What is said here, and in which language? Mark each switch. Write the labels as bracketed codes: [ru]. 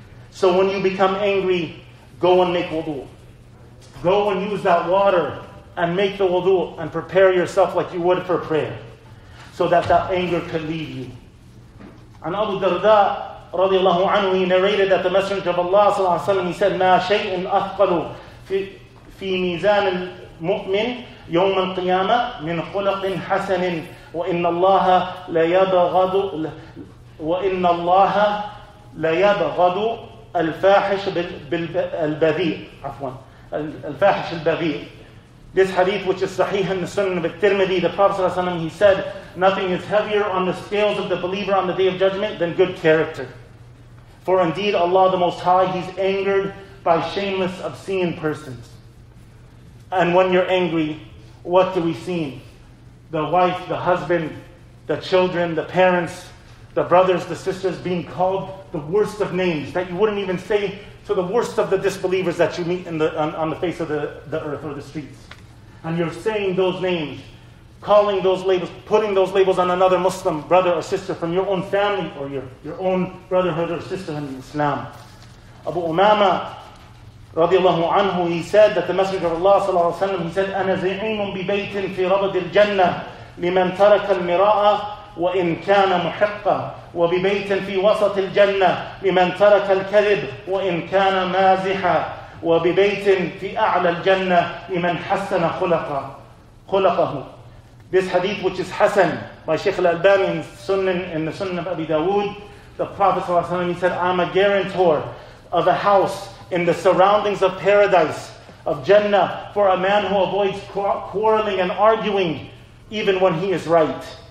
[en] So when you become angry, go and make wudu. Go and use that water and make the wudu and prepare yourself like you would for prayer, so that anger could leave you. And Abu Darda radiallahu anhu, he narrated that the Messenger of Allah sallallahu alaihi wasallam, he said, [ar] مَا شَيْءٌ أَثْقَلُ فِي مِيزَانِ الْمُؤْمِنِ يَوْمَ الْقِيَامَةِ مِنْ خُلَقٍ حَسَنٍ وَإِنَّ اللَّهَ لَيَبْغَضُ وَإِنَّ اللَّهَ لَيَبْغَضُ الْفَاحِشَ بِالْبَذِيءِ عَفْوًا الْفَاحِشَ الْبَذِيءِ. [en] This hadith, which is sahih in the Sunnah of Tirmidhi, the Prophet ﷺ, he said, nothing is heavier on the scales of the believer on the Day of Judgment than good character. For indeed, Allah the Most High, He's angered by shameless, obscene persons. And when you're angry, what do we see? The wife, the husband, the children, the parents, the brothers, the sisters being called the worst of names that you wouldn't even say to the worst of the disbelievers that you meet on the face of the earth or the streets. And you're saying those names, calling those labels, putting those labels on another Muslim brother or sister from your own family or your own brotherhood or sisterhood in Islam. Abu Umama radiallahu anhu, he said that the Messenger of Allah sallallahu alaihi wasallam, he said, [ar] أَنَا زَعِيمٌ بِبَيْتٍ فِي رَبَدِ الْجَنَّةِ لِمَنْ تَرَكَ الْمِرَاءَ وَإِنْ كَانَ مُحِقَّةِ وَبِبَيْتٍ فِي وَسَطِ الْجَنَّةِ لِمَنْ تَرَكَ الْكَذِبِ وَإِنْ كَانَ مَازِحًا وَبِبَيْتٍ فِي أَعْلَى الْجَنَّةِ لِمَنْ حَسَّنَ خُلَقَهُ. [en] This hadith, which is Hassan by Sheikh al-Albani in the Sunnah of Abi Dawood, the Prophet ﷺ, he said, I'm a guarantor of a house in the surroundings of paradise, of Jannah, for a man who avoids quarreling and arguing even when he is right.